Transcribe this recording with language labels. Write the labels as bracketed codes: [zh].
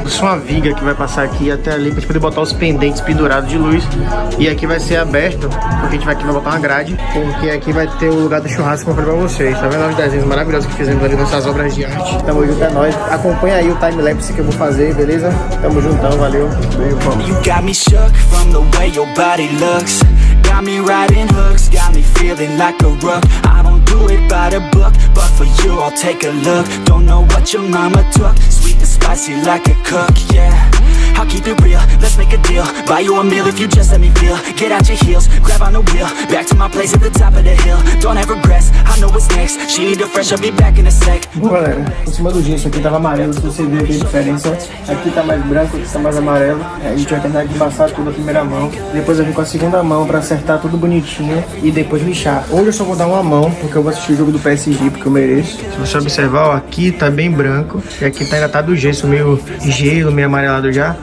[pt] Só uma viga que vai passar aqui até ali pra gente poder botar os pendentes pendurados de luz. E aqui vai ser aberto, porque a gente vai botar uma grade. Porque aqui vai ter o lugar do churrasco que eu falei pra vocês. Tá vendo os desenhos maravilhosos que fizemos ali nessas obras de arte? Tamo junto, é nóis. Acompanha aí o timelapse que eu vou fazer, beleza? Tamo juntão, valeu. Beijo, vamos. [en] You got me shook from the way your body looks. Got me riding hooks, got me feeling like a rook. I don't do it by the book, but for you I'll take a look. Don't know what your mama took, sweet and spicy like a cook, yeah. I'll keep it real, let's make a deal. Buy you a meal if you just let me feel. Get out your heels, grab on the wheel. Back to my place at the top of the hill. Don't have regrets, I know what's next. She need a fresh, I'll be back in a sec. [pt] Bom, galera, em cima do gesso aqui tava amarelo, se você ver a diferença. Aqui tá mais branco, aqui tá mais amarelo. A gente vai tentar embaçar tudo a primeira mão. Depois eu vim com a segunda mão pra acertar tudo bonitinho e depois lixar. Hoje eu só vou dar uma mão, porque eu vou assistir o jogo do PSG, porque eu mereço. Se você observar, ó, aqui tá bem branco. E aqui tá, ainda tá do gesso, meio gelo, meio amarelado já.